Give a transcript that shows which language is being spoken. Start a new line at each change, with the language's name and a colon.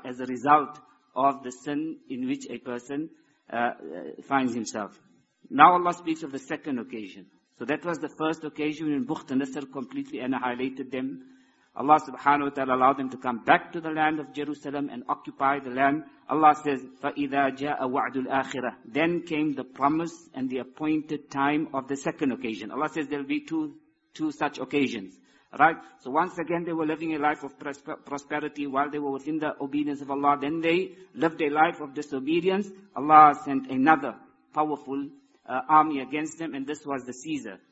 English: As a result of the sin in which a person finds himself. Now Allah speaks of the second occasion. So that was the first occasion when Bukhtanasar completely annihilated them. Allah
Arabic: subhanahu wa ta'ala
English: allowed them to come back to the land of Jerusalem and occupy the land. Allah says,
Arabic: فَإِذَا جَاءَ وَعْدُ الْآخِرَةِ.
English: Then came the promise and the appointed time of the second occasion. Allah says there will be two such occasions. Right? So once again they were living a life of prosperity while they were within the obedience of Allah. Then they lived a life of disobedience. Allah sent another powerful army against them, and this was the Caesar.